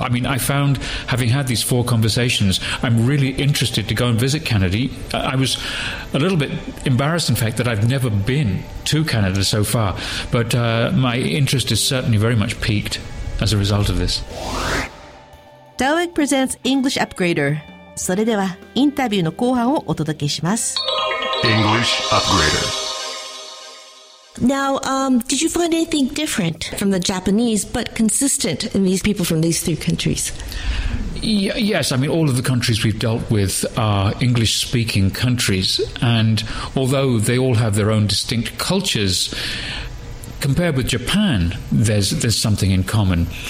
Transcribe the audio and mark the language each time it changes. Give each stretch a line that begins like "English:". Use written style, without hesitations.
English: I mean, I found, having had these four conversations, I'm really interested to go and visit Canada. I was a little bit embarrassed, in fact, that I've never been to Canada so far, but my interest is certainly very much piqued as a result of this. TOEIC presents English Upgrader.
Japanese: それではインタビューの後半をお届けします。
English: English Upgrader. Now, did you find anything different from the Japanese, but consistent in these people from these three countries? Yes, I mean, all of the countries we've dealt with are English-speaking countries, and although they all have their own distinct cultures, compared with Japan, there's something in common.